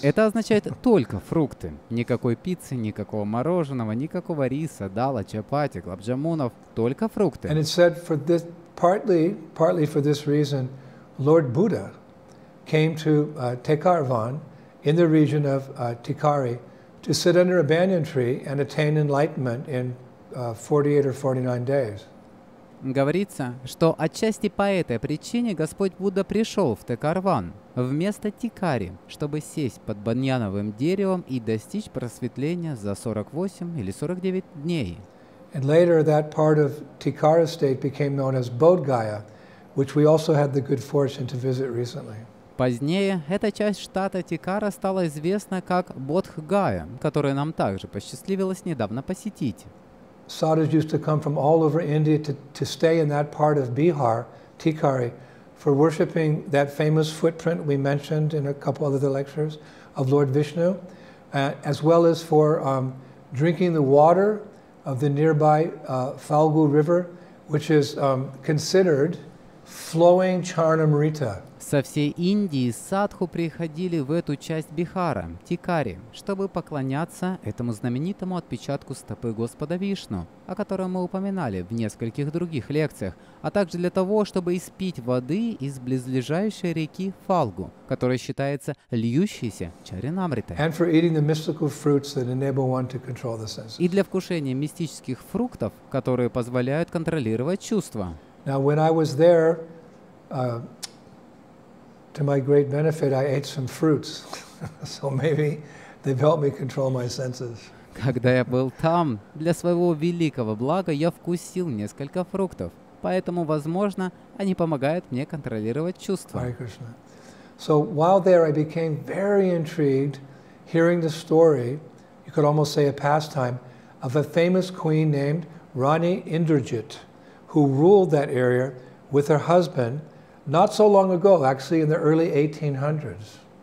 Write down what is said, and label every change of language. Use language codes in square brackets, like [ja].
[ru] Это означает только фрукты. Никакой пиццы, никакого мороженого, никакого риса, дала, чапати, глобджамунов, только фрукты. [en] And it said for this, partly for this reason, Lord Buddha came to Tikarvan in the region of Tikari. To sit under a banyan tree and attain enlightenment in 48 or 49 days. [ru] Говорится, что отчасти по этой причине Господь Будда пришел в Тикарван, вместо Тикари, чтобы сесть под баньяновым деревом и достичь просветления за 48 или 49 дней. [en] And later that part of Tikari state became known as Bodh Gaya, which we also had the good fortune to visit recently. [ru] Позднее эта часть штата Тикара стала известна как Бодхгая, которую нам также посчастливилось недавно посетить. [en] Sadhus used to come from all over India to stay in that part of Bihar, Tikari, for worshiping that famous footprint we mentioned in a couple of other lectures of Lord Vishnu, as well as for drinking the water of the nearby Falgu River, which is considered flowing Charnamrita. [ru] Со всей Индии садху приходили в эту часть Бихара, Тикари, чтобы поклоняться этому знаменитому отпечатку стопы Господа Вишну, о котором мы упоминали в нескольких других лекциях, а также для того, чтобы испить воды из близлежащей реки Фалгу, которая считается льющейся Чаринамритой. И для вкушения мистических фруктов, которые позволяют контролировать чувства. [en] Now, when I was there, to my great benefit, I ate some fruits, so maybe they've helped me control my senses. [ru] Когда я был там, для своего великого блага я вкусил несколько фруктов, поэтому, возможно, они помогают мне контролировать чувства. [en] Hare Krishna. So while there, I became very intrigued hearing the story, you could almost say a pastime, of a famous queen named Rani Indrajit, who ruled that area with her husband. Not so long ago, actually, in the early 1800s.